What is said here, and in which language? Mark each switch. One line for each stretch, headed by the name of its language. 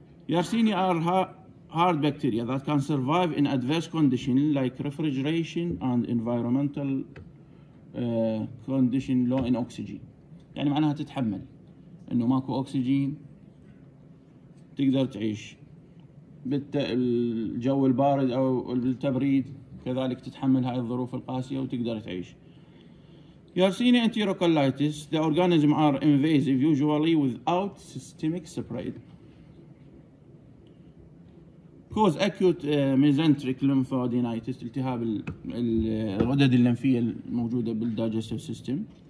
English: Yersinia are hard bacteria that can survive in adverse conditions like refrigeration and environmental condition low in oxygen.
Arabic: يعني معناها تتحمل إنه ماكو أكسجين تقدر تعيش. بالجو البارد او التبريد كذلك تتحمل هاي الظروف القاسية وتقدر تعيش.
English: Yersinia enterocolitis, the organism are invasive usually without systemic spread. Cause acute mesenteric lymphadenitis,
Arabic: التهاب الغدد اللمفية الموجودة بالdigestive system.